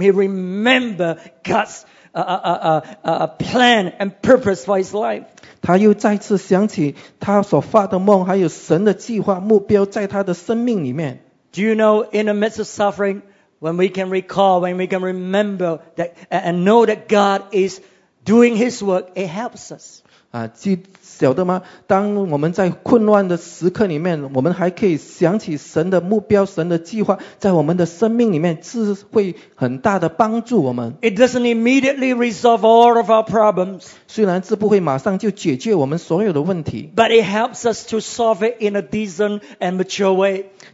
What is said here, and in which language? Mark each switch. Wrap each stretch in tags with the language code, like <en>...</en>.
<en>He remembered God's plan and purpose for his life.</en> <zh>他又再次想起他所发的梦，还有神的计划目标，在他的生命里面。</zh> <en>Do you know, in the midst of suffering, when we can recall, when we can remember that and know that God is doing his work, it helps us.</en> <zh>晓得吗？当我们在混乱的时刻里面，我们还可以想起神的目标、神的计划，在我们的生命里面，是会很大的帮助我们。</zh> <en>It doesn't immediately resolve all of our problems.</en> <zh>虽然这不会马上就解决我们所有的问题。</zh> <en>But it helps us to solve it in a decent and mature way.</en>